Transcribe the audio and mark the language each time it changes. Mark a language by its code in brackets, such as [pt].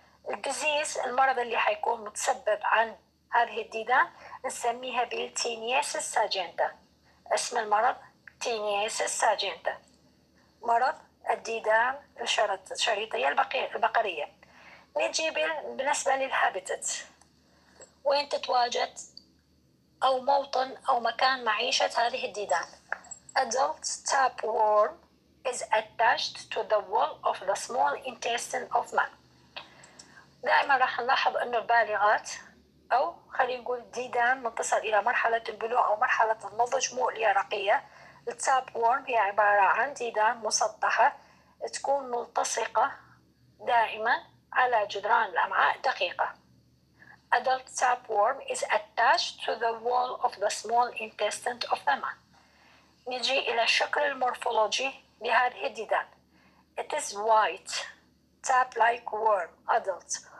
[ar] الدزيز المرض اللي حيكون متسبب عن هذه الديدان نسميها بالتينياسيس ساجينتا، اسم المرض تينياسيس ساجينتا، مرض الديدان الشريطية البقرية. نجي بالنسبة للهابيتات، وين تتواجد أو موطن أو مكان معيشة هذه الديدان. [en] Adult tapeworm is attached to the wall of the small intestine of man. [ar] دائما راح نلاحظ أنه البالغات أو خلينا نقول ديدان متصل إلى مرحلة البلوغ أو مرحلة النضج مو اليرقية. التاب وورم هي عبارة عن ديدان مسطحة تكون ملتصقة دائما على جدران الأمعاء الدقيقة. [en] Adult tap worm is attached to the wall of the small intestine of the man. [ar] نجي إلى شكل المورفولوجي بهذه الديدان. [en] It is white, tap-like worm, adult.